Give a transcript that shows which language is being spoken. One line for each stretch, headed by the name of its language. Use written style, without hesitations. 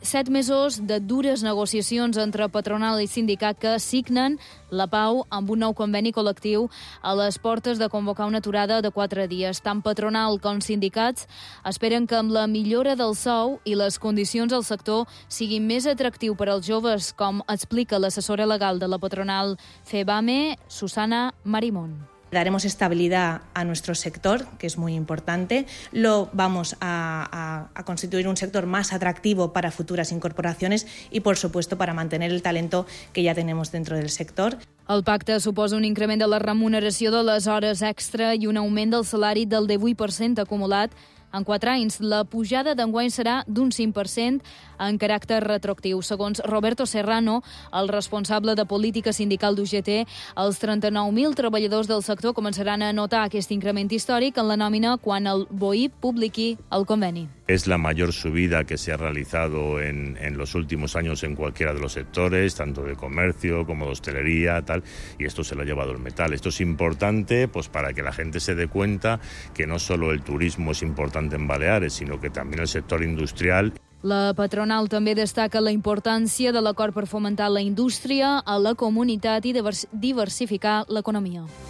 Catalan: 7 mesos de dures negociacions entre patronal i sindicat que signen la pau amb un nou conveni col·lectiu a les portes de convocar una aturada de 4 dies. Tant patronal com sindicats esperen que amb la millora del sou i les condicions del sector siguin més atractiu per als joves, com explica l'assessora legal de la patronal FEBAME, Susana Marimón.
Spanish: Daremos estabilidad a nuestro sector, que es muy importante. Lo vamos a constituir un sector más atractivo para futuras incorporaciones y, por supuesto, para mantener el talento que ya tenemos dentro del sector.
Catalan: El pacte suposa un increment de la remuneració de les hores extra i un augment del salari del 18% acumulat en 4 anys. La pujada d'enguany serà d'un 5% en caràcter retroactiu. Segons Roberto Serrano, el responsable de política sindical d'UGT, els 39.000 treballadors del sector començaran a notar aquest increment històric en la nòmina quan el BOIP publiqui el conveni.
Spanish: Es la mayor subida que se ha realizado en los últimos años en cualquiera de los sectores, tanto de comercio como de hostelería, tal, y esto se lo ha llevado el metal. Esto es importante pues para que la gente se dé cuenta que no solo el turismo es importante en Baleares, sino que también el sector industrial.
Catalan: La patronal també destaca la importància de l'acord per fomentar la indústria a la comunitat i diversificar l'economia.